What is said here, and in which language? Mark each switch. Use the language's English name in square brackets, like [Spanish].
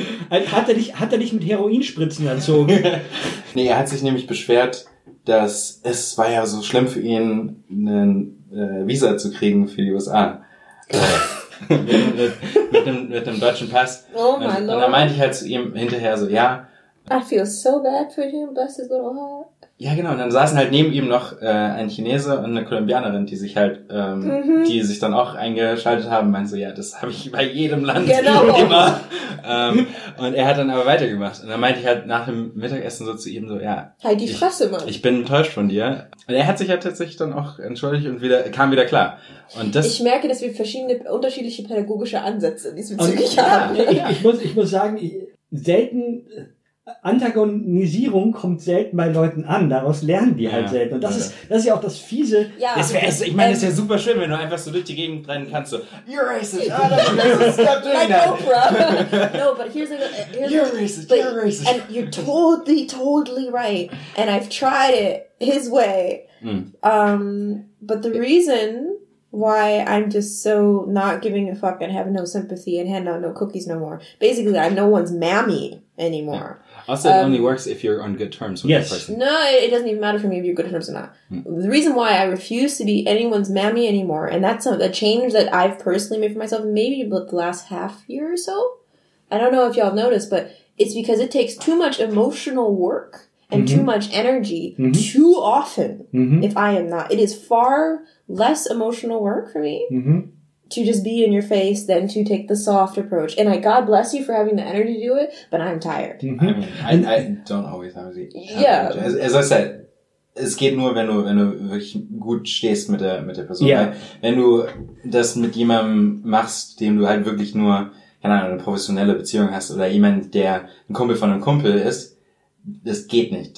[German] hat er dich mit Heroinspritzen erzogen? Nee, er hat sich nämlich beschwert, dass es war ja so schlimm für ihn, einen Visa zu kriegen für die USA. mit einem deutschen Pass. Oh mein Gott. Und dann meinte ich halt zu ihm hinterher so, ja. [English] I feel so bad for him, bless his little heart. [German] Ja, genau. Und dann saßen halt neben ihm noch ein Chinese und eine Kolumbianerin, die sich halt, die sich dann auch eingeschaltet haben. Meinte so, ja, das habe ich bei jedem Land immer. Und er hat dann aber weitergemacht. Und dann meinte ich halt nach dem Mittagessen so zu ihm so, ja. Halt die Fresse, Mann. Ich bin enttäuscht von dir. Und er hat sich halt tatsächlich dann auch entschuldigt und kam wieder klar. Und das. Ich merke, dass wir verschiedene, unterschiedliche pädagogische Ansätze diesbezüglich haben. Ja. Ich muss sagen, selten. Antagonisierung kommt selten bei Leuten an, daraus lernen die halt selten. Und das ist ja auch das Fiese. Ja, das ist ja super schön, wenn du einfach so durch die Gegend rennen kannst, so, [English] you're racist, oh, that's like Oprah. No, but here's a, you're racist. And you're totally, totally right. And I've tried it his way. Mm. But the reason why I'm just so not giving a fuck and have no sympathy and hand out no cookies no more. Basically, I'm no one's mammy anymore. Also, it only works if you're on good terms with the person. No, it doesn't even matter for me if you're good terms or not. The reason why I refuse to be anyone's mammy anymore, and that's a change that I've personally made for myself, maybe about the last half year or so. I don't know if y'all noticed, but it's because it takes too much emotional work and too much energy too often if I am not. It is far less emotional work for me to just be in your face than to take the soft approach. And I, God bless you for having the energy to do it, but I'm tired. I mean, I don't always have the energy. Yeah. As I said, [German] es geht nur, wenn du wirklich gut stehst mit der Person. [English] Yeah. [German] Wenn du das mit jemandem machst, dem du halt wirklich nur, keine Ahnung, eine professionelle Beziehung hast oder jemand, der ein Kumpel von einem Kumpel ist, das geht nicht.